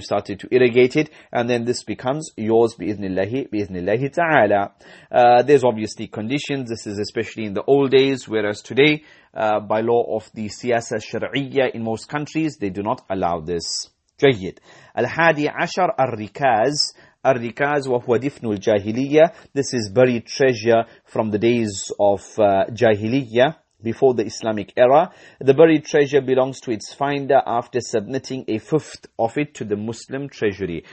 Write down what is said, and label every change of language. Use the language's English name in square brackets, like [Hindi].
[English] You started to irrigate it, and then this becomes yours, bi-iznillahi ta'ala. There's obviously conditions, this is especially in the old days, whereas today, by law of the siyasa shar'iyya in most countries, they do not allow this. [Arabic] جيد. الحادي عشر الركاز. الركاز وهو دفن الجاهلية. [English] This is buried treasure from the days of جاهلية, before the Islamic era. The buried treasure belongs to its finder after submitting a fifth of it to the Muslim treasury.